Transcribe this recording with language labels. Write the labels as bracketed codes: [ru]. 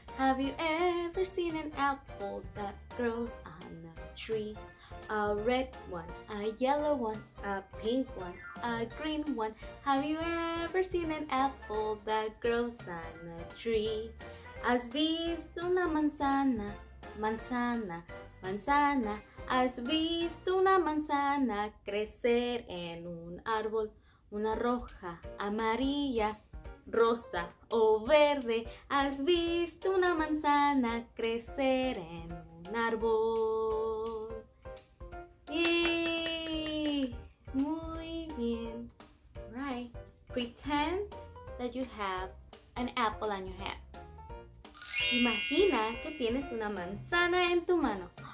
[en] Have you ever seen an apple that grows on a tree? A red one, a yellow one, a pink one, a green one. Have you ever seen an apple that grows on a tree? [es] ¿Has visto una manzana? Manzana, manzana. ¿Has visto una manzana crecer en un árbol? Una roja, amarilla, rosa o verde. ¿Has visto una manzana crecer en un árbol? ¡Yay! Muy bien. [en] Right. Pretend that you have an apple on your hand. [es] Imagina que tienes una manzana en tu mano.